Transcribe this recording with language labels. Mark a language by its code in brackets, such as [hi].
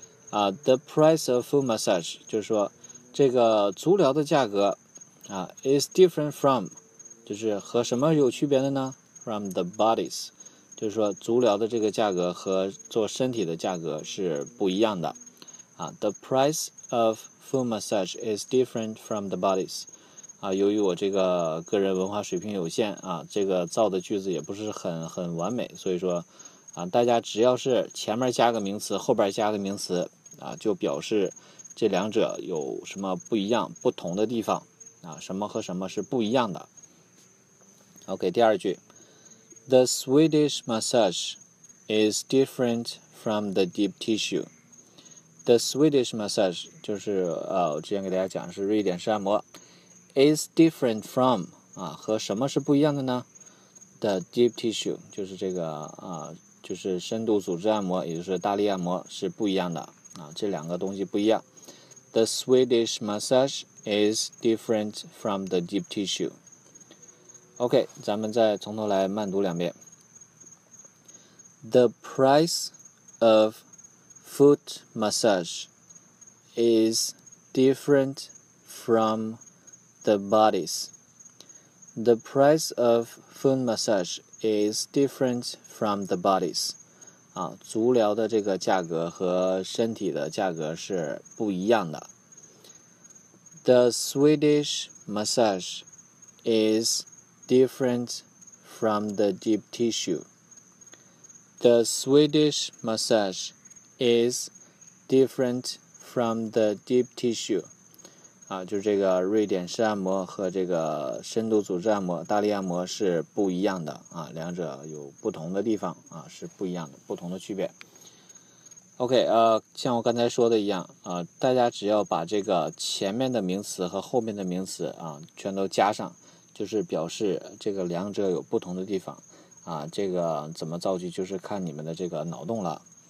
[en] The price of foot massage [zh] 就是说这个足疗的价格 [en] is different from， [zh] 就是和什么有区别的呢？ [en] From the bodies， [zh] 就是说足疗的这个价格和做身体的价格是不一样的。 [en] The price of foot massage is different from the bodies。 [zh] 由于我这个个人文化水平有限这个造的句子也不是很完美，所以说大家只要是前面加个名词，后边加个名词就表示这两者有什么不一样不同的地方什么和什么是不一样的。 [en] OK， [zh] 第二句， [en] The Swedish massage is different from the deep tissue. The Swedish massage [zh] 就是我之前给大家讲的是瑞典式按摩， [en] is different from [zh] 和什么是不一样的呢？ [en] The deep tissue [zh] 就是这个就是深度组织按摩，也就是大力按摩是不一样的这两个东西不一样。 [en] The Swedish massage is different from the deep tissue. [zh] OK， 咱们再从头来慢读两遍。 [en] The price of foot massage is different from the bodies. The price of foot massage is different from the bodies. [zh] 足疗的这个价格和身体的价格是不一样的。 [en] The Swedish massage is different from the deep tissue. The Swedish massage is different from the deep tissue. [zh] 就这个瑞典式按摩和这个深度组织按摩、大力按摩是不一样的两者有不同的地方是不一样的，不同的区别。 OK， 像我刚才说的一样大家只要把这个前面的名词和后面的名词全都加上，就是表示这个两者有不同的地方这个怎么造句就是看你们的这个脑洞了。